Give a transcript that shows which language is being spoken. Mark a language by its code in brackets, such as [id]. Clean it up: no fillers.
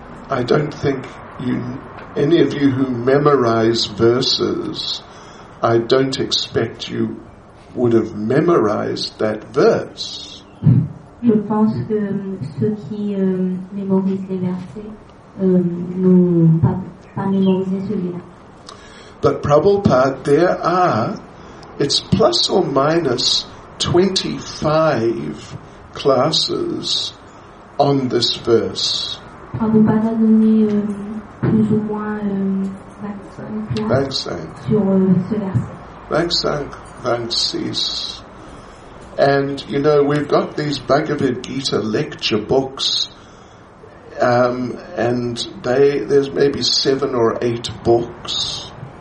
[en] I don't think you, any of you who memorize verses, I don't expect you would have memorized that verse. [fr] Je pense que ceux qui mémorisent les versets n'ont pas mémorisé celui-là. [en] But Prabhupada, there are, it's plus or minus 25 classes on this verse. [fr] Prabhupada a donné plus ou moins 25 classes sur ce verset. [en] 25, 26. And, you know, we've got these Bhagavad Gita lecture books, and there's maybe 7 or 8 books.